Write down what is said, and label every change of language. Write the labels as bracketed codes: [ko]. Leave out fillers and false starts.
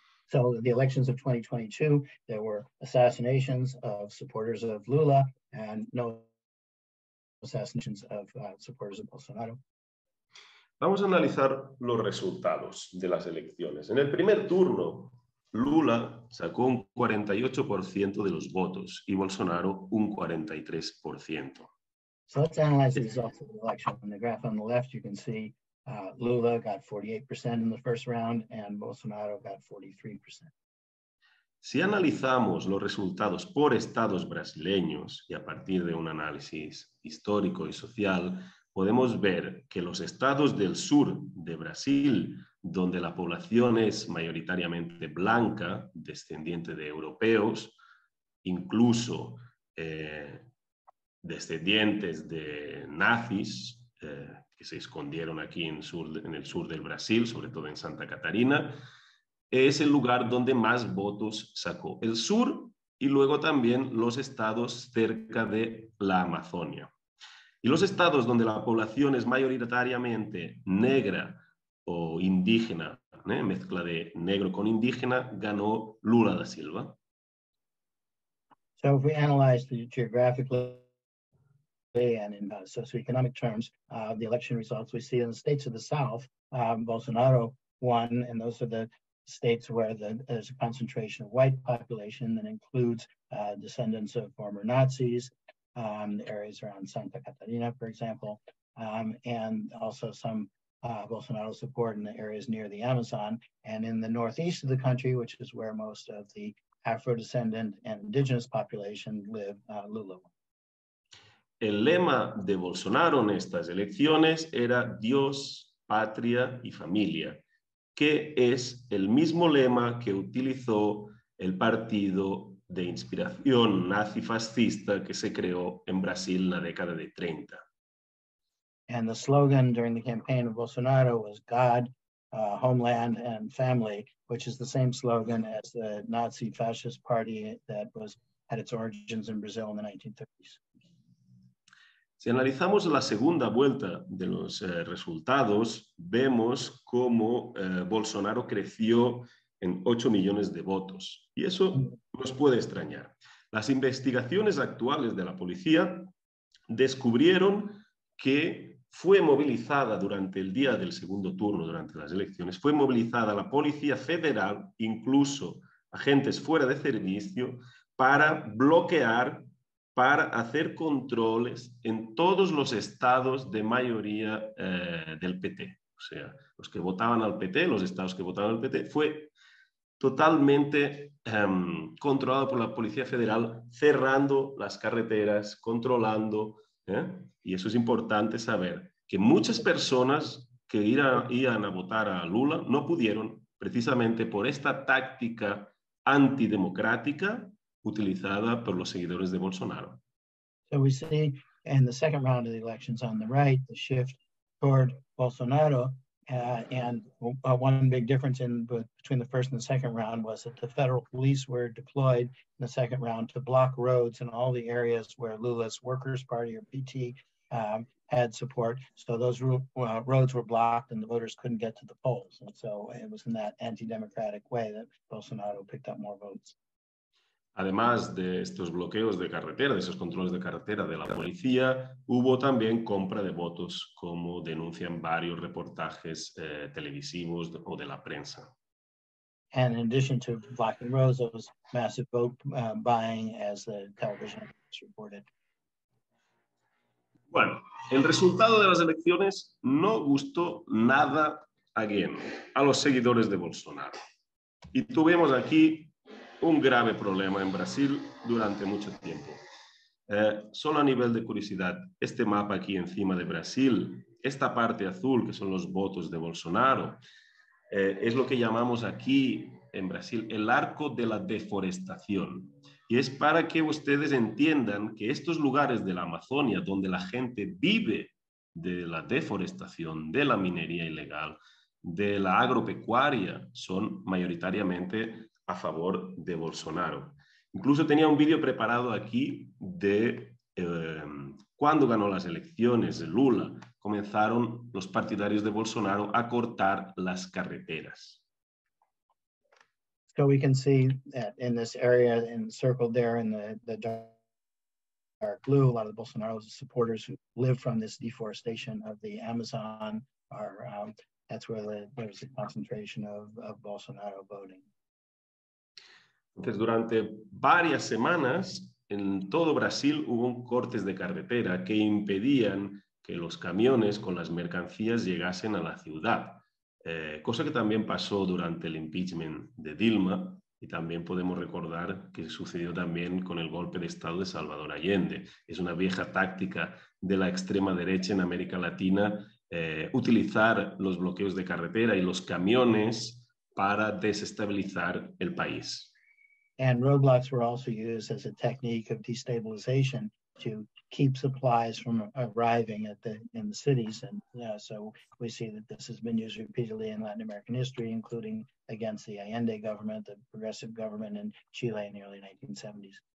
[en] So the elections of 2022, there were assassinations of supporters of Lula and no assassinations of supporters of Bolsonaro. [es] Vamos a analizar los resultados de las elecciones. En el primer turno, Lula sacó un 48% de los votos y Bolsonaro un 43%. [en] So let's analyze the results of the election. On the graph on the left, you can see Lula got 48% in the first round and Bolsonaro got 43%. [es] Si analizamos los resultados por estados brasileños y a partir de un análisis histórico y social, podemos ver que los estados del sur de Brasil, donde la población es mayoritariamente blanca, descendiente de europeos, incluso descendientes de nazis que se escondieron aquí en el sur del Brasil, sobre todo en Santa Catarina, es el lugar donde más votos sacó. El sur y luego también los estados cerca de la Amazonia. Y los estados donde la población es mayoritariamente negra o indígena, ¿eh?, mezcla de negro con indígena, ganó Lula da Silva. [en] So if we analyze the geographically and in socioeconomic terms, the election results we see in the states of the South, Bolsonaro won, and those are the states where there's a concentration of white population that includes descendants of former Nazis, the areas around Santa Catarina, for example, and also some Bolsonaro support in the areas near the Amazon. And in the northeast of the country, which is where most of the Afro-descendant and indigenous population live, Lula won. [es] El lema de Bolsonaro en estas elecciones era Dios, patria y familia, que es el mismo lema que utilizó el partido de inspiración nazi-fascista que se creó en Brasil en la década de 30. [en] And the slogan during the campaign of Bolsonaro was God, homeland and family, which is the same slogan as the Nazi fascist party that was had its origins in Brazil in the 1930s. [es] Si analizamos la segunda vuelta de los resultados, vemos cómo Bolsonaro creció en 8 millones de votos. Y eso nos puede extrañar. Las investigaciones actuales de la policía descubrieron que fue movilizada durante el día del segundo turno, durante las elecciones, fue movilizada la policía federal, incluso agentes fuera de servicio, para bloquear, para hacer controles en todos los estados de mayoría del PT. O sea, los que votaban al PT, los estados que votaban al PT, fue totalmente controlado por la Policía Federal, cerrando las carreteras, controlando. Y eso es importante saber, que muchas personas que iban a votar a Lula no pudieron, precisamente por esta táctica antidemocrática utilizada por los seguidores de Bolsonaro. [en] So we see in the second round of the elections on the right, the shift toward Bolsonaro, and one big difference in between the first and the second round was that the federal police were deployed in the second round to block roads in all the areas where Lula's Workers Party or PT had support. So those roads were blocked and the voters couldn't get to the polls. And so it was in that anti-democratic way that Bolsonaro picked up more votes. [es] Además de estos bloqueos de carretera, de esos controles de carretera de la policía, hubo también compra de votos, como denuncian varios reportajes televisivos o de la prensa. [en] And in addition to blocking roads, there was massive vote buying, as the television reported. [es] Bueno, el resultado de las elecciones no gustó nada a los seguidores de Bolsonaro. Y tuvimos aquí un grave problema en Brasil durante mucho tiempo. Solo a nivel de curiosidad, este mapa aquí encima de Brasil, esta parte azul que son los votos de Bolsonaro, es lo que llamamos aquí en Brasil el arco de la deforestación. Y es para que ustedes entiendan que estos lugares de la Amazonia, donde la gente vive de la deforestación, de la minería ilegal, de la agropecuaria, son mayoritariamente a favor de Bolsonaro. Incluso tenía un vídeo preparado aquí de cuando ganó las elecciones de Lula, comenzaron los partidarios de Bolsonaro a cortar las carreteras. [en] So we can see that in this area encircled there in the dark blue, a lot of the Bolsonaro supporters who live from this deforestation of the Amazon are that's where there's a concentration of Bolsonaro voting. [es] Entonces, durante varias semanas en todo Brasil hubo cortes de carretera que impedían que los camiones con las mercancías llegasen a la ciudad, cosa que también pasó durante el impeachment de Dilma, y también podemos recordar que sucedió también con el golpe de Estado de Salvador Allende. Es una vieja táctica de la extrema derecha en América Latina utilizar los bloqueos de carretera y los camiones para desestabilizar el país. [en] And roadblocks were also used as a technique of destabilization to keep supplies from arriving at the in the cities. And so we see that this has been used repeatedly in Latin American history, including against the Allende government, the progressive government in Chile in the early 1970s.